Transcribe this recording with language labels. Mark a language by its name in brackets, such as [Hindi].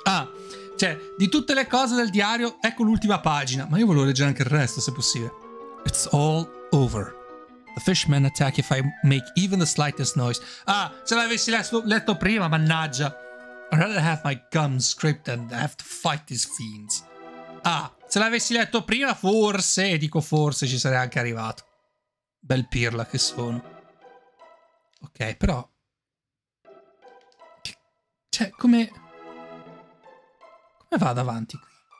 [Italian] Ah, cioè, di tutte le cose del diario, ecco l'ultima pagina. Ma io volevo leggere anche il resto, se possibile. [English] It's all over. The fishmen attack if I make even the slightest noise. [Italian] Ah, se l'avessi letto prima, mannaggia. [English] I'd rather have my gums scraped than have to fight these fiends. [Italian] Ah, se l'avessi letto prima, forse, dico forse, ci sarei anche arrivato. Bel pirla che sono. Ok, però... Cioè, come... Come vado avanti qui?